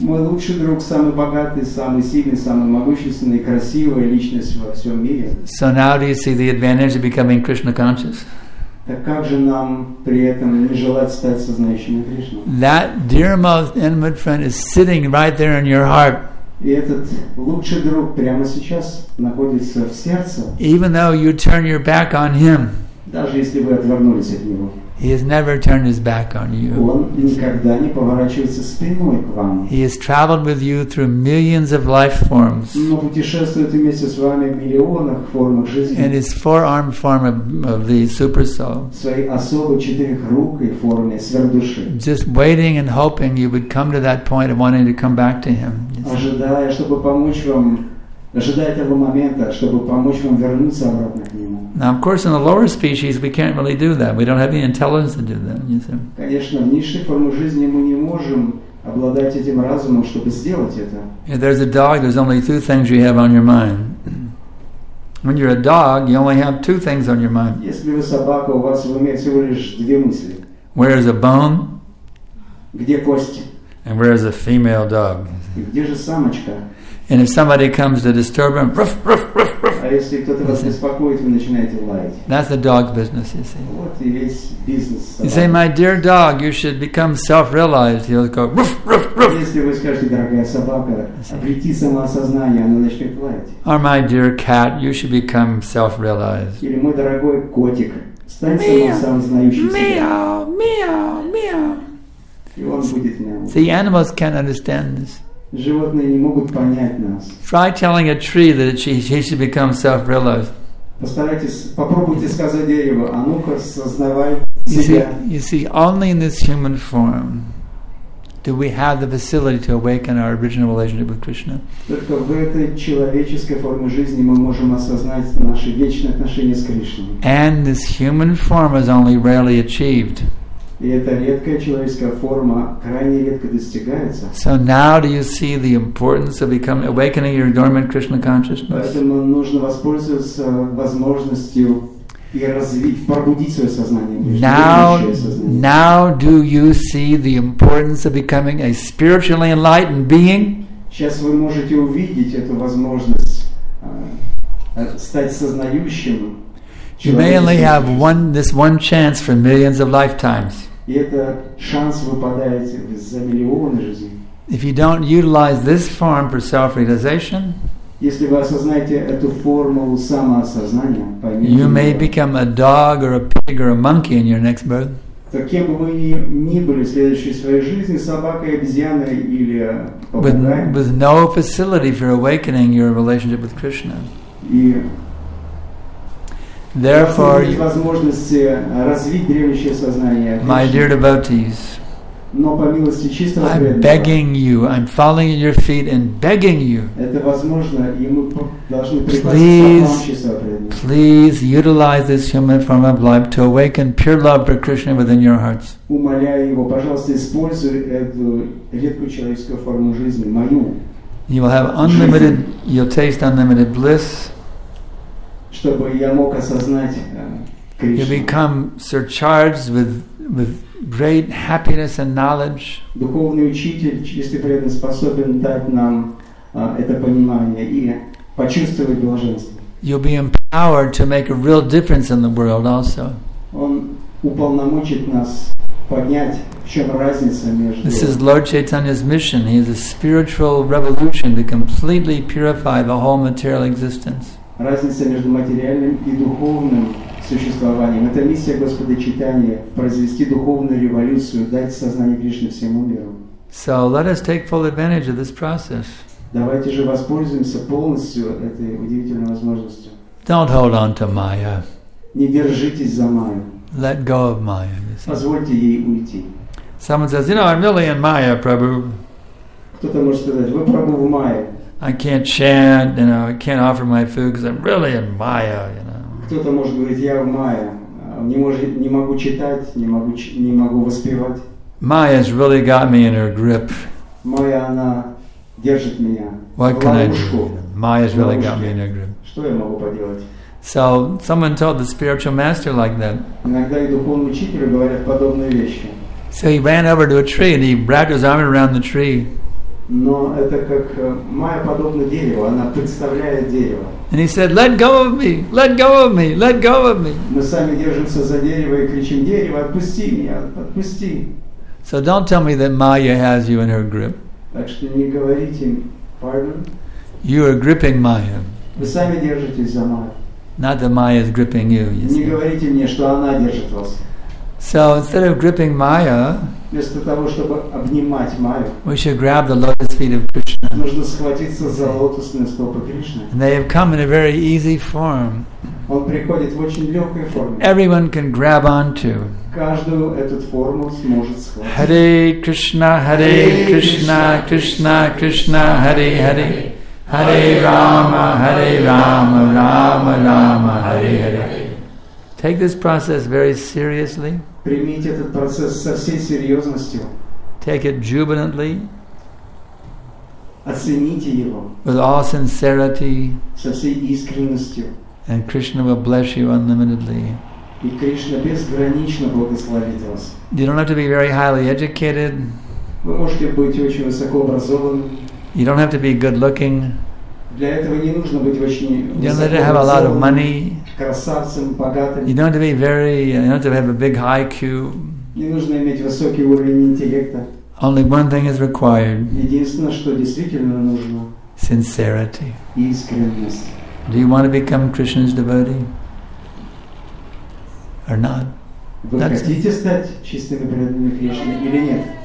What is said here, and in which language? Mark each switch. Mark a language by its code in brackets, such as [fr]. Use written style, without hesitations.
[ru] Мой лучший друг самый богатый, самый сильный, самый могущественный, красивая личность во всем мире. [en] So now do you see the advantage of becoming Krishna conscious? [ru] Так как же нам при этом не желать стать сознающими Кришну? [en] That dear most intimate friend is sitting right there in your heart. [ru] И этот лучший друг прямо сейчас находится в сердце. [en] Even though you turn your back on him, [ru] даже если вы отвернулись от него, [en] he has never turned his back on you. [ru] Он никогда не поворачивается спиной к вам. [en] He has traveled with you through millions of life forms. [ru] Но путешествует вместе с вами в миллионах форм жизни. [en] And his four-armed form of the super soul. [ru] Своей особой четырехрукой формы сверхдуши. [en] Just waiting and hoping you would come to that point of wanting to come back to him. [ru] Ожидая, чтобы помочь вам. Ожидая этого момента, чтобы помочь вам вернуться обратно к нему. [en] Now, of course, in the lower species, we can't really do that. We don't have the intelligence to do that. You see. [ru] Конечно, в низшей форме жизни мы не можем обладать этим разумом, чтобы сделать это. [en] If there's a dog, there's only two things you have on your mind. When you're a dog, you only have two things on your mind. [ru] Если вы собака, у вас в уме всего лишь две мысли. [en] Where is a bone? [ru] Где кости? [en] And where is a female dog? [ru] И где же самочка? [en] And if somebody comes to disturb him, ruff, ruff, ruff, ruff. [ru] А если кто-то вас беспокоит, вы начинаете лаять. [en] That's the dog's business, you see. [ru] Вот и весь бизнес. [en] You say, my dear dog, you should become self-realized. He'll go, ruff, ruff, ruff. [ru] Если вы скажете, дорогая собака, обрети самоосознание, она начнет лаять. [en] Or my dear cat, you should become self-realized. [ru] Или мой дорогой котик, стань самоосознающим себя. Meow, meow, meow. И он будет мяу. [en] See, animals can't understand this. [ru] Животные не могут понять нас. [en] Try telling a tree that he should become self-realized. [ru] Попробуйте сказать дереву, а ну-ка осознавай себя. [en] You see, only in this human form do we have the facility to awaken our original relationship with Krishna. [ru] Только в этой человеческой форме жизни мы можем осознать наши вечные отношения с Кришной. [en] And this human form is only rarely achieved. [ru] И эта редкая человеческая форма крайне редко достигается. [en] So now do you see the importance of becoming awakening your dormant Krishna consciousness? [ru] Поэтому нужно воспользоваться возможностью и развить, пробудить свое сознание. [en] Now do you see the importance of becoming a spiritually enlightened being? [ru] Сейчас вы можете увидеть эту возможность стать сознающим. [en] You may only have this one chance for millions of lifetimes. If you don't utilize this form for self-realization, you may become a dog or a pig or a monkey in your next birth. [ru] кем бы вы ни были в следующей своей жизни, собакой, обезьяной или попугаем, [en] with no facility for awakening your relationship with Krishna. [ru] И [en] therefore, [ru] возможности развить древнейшее сознание. [en] My dear devotees, [ru] но по милости чистого преданного, [en] I'm begging you, I'm falling at your feet and begging you. [ru] Это возможно, и мы должны [en] please, please utilize this human form of life to awaken pure love for Krishna within your hearts. [ru] Умоляю его, пожалуйста, используй эту редкую человеческую форму жизни, мою. [en] You will have unlimited, you'll taste unlimited bliss. [ru] Чтобы я мог осознать Кришну. [en] You become surcharged with great happiness and knowledge. [ru] Духовный учитель, чистый преданный, способен дать нам это понимание и почувствовать блаженство. [en] You'll be empowered to make a real difference in the world also. [ru] Он уполномочит нас понять, в чем разница между... [en] This is Lord Chaitanya's mission. He is a spiritual revolution to completely purify the whole material existence. [ru] Разница между материальным и духовным существованием. Это миссия Господа Чайтаньи произвести духовную революцию, дать сознание Кришны всему миру. [en] So let us take full advantage of this process. [ru] Давайте же воспользуемся полностью этой удивительной возможностью. [en] Don't hold on to Maya. [ru] Не держитесь за Майю. [en] Let go of Maya. [ru] Позвольте ей уйти. [en] Someone says, you know, I'm really in Maya, Prabhu. [ru] Кто-то может сказать, вы Прабху в Майе. [en] I can't chant, you know, I can't offer my food because I'm really in Maya, you know. [ru] Кто-то может говорить, я в Майе, не могу читать, не могу воспевать. [en] Maya's really got me in her grip. [ru] Майя, она держит меня. [en] What can I do? Maya's really got me in her grip. [ru] Что я могу поделать? [en] So someone told the spiritual master like that. [ru] Иногда и духовный учитель говорят подобные вещи. [en] So he ran over to a tree and he wrapped his arm around the tree. [ru] Но это как Майя подобно дереву, она представляет дерево. [en] And he said, "Let go of me! Let go of me! Let go of me!" [ru] Мы сами держимся за дерево и кричим: "Дерево, отпусти меня, отпусти!" [en] So don't tell me that Maya has you in her grip. [ru] Так что не говорите, pardon. [en] You are gripping Maya. [ru] Вы сами держитесь за Майю. [en] Not that Maya is gripping you. You [ru] не [en] see. [ru] Говорите мне, что она держит вас. [en] So instead of gripping Maya, [ru] вместо того чтобы обнимать Майю, [en] we should grab the lotus feet of Krishna. [ru] Нужно схватиться за лотосные стопы Кришны. [en] And they have come in a very easy form. [ru] Он приходит в очень легкой форме. [en] Everyone can grab onto. [ru] Каждую эту форму сможет схватить. [sa] Hare Krishna, Hare Krishna, Krishna Krishna, Hare Hare. Hare Rama, Rama Rama, Hare Hare. [en] Take this process very seriously. [ru] Примите этот процесс со всей серьезностью. [en] Take it jubilantly. [ru] Оцените его. [en] With all sincerity. [ru] Со всей искренностью. [en] And Krishna will bless you unlimitedly. [ru] И Кришна безгранично благословит вас. [en] You don't have to be very highly educated. [ru] Вы можете быть очень высокообразованным. [en] You don't have to be good looking. [ru] Для этого не нужно быть очень. [en] You don't have to have a lot of money. [ru] Красавцем, богатым. [en] You don't have to be very. You don't have to have a big IQ. [ru] Не нужно иметь высокий уровень интеллекта. [en] Only one thing is required. [ru] Единственное, что действительно нужно. [en] Sincerity. [ru] Искренность. [en] Do you want to become Krishna's devotee? Or not? [ru] Вы хотите стать чистыми преданными Кришны или нет?